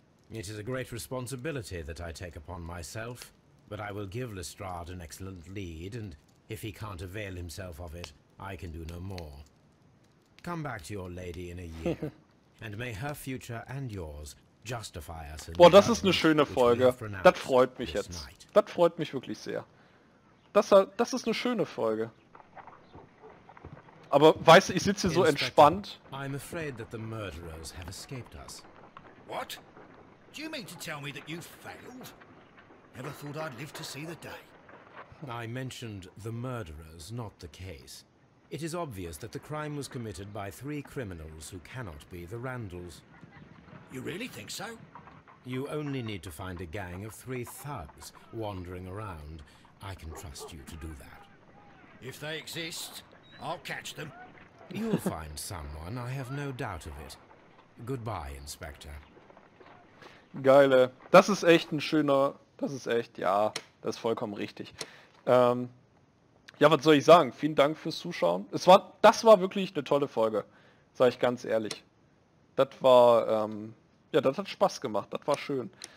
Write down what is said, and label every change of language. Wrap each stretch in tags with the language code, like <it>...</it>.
<en>It is a great responsibility that I take upon myself, but I will give Lestrade an excellent lead, and if he can't avail himself of it, I can do no more. Come back to your lady in a year, and may her future and yours</en> <de>Boah, das ist eine schöne Folge. Das freut mich jetzt. Das freut mich wirklich sehr. Das ist eine schöne Folge. Aber weißt du, ich sitze hier so entspannt.</de> <en>I'm afraid that the murderers have escaped us. What? Do you mean to tell me that you failed? Never thought I'd live to see the day. I mentioned the murderers, not the case. It is obvious that the crime was committed by three criminals who cannot be the Randalls. You really think so? You only need to find a gang of three thugs wandering around. I can trust you to do that. If they exist, I'll catch them. You'll find someone, I have no doubt of it. Goodbye, Inspector.</en> <de>Geile. Das ist echt ein schöner... Das ist echt, ja, das ist vollkommen richtig. Ja, was soll ich sagen? Vielen Dank fürs Zuschauen. Das war wirklich eine tolle Folge, sage ich ganz ehrlich. Das war, ja, das hat Spaß gemacht, das war schön.</de>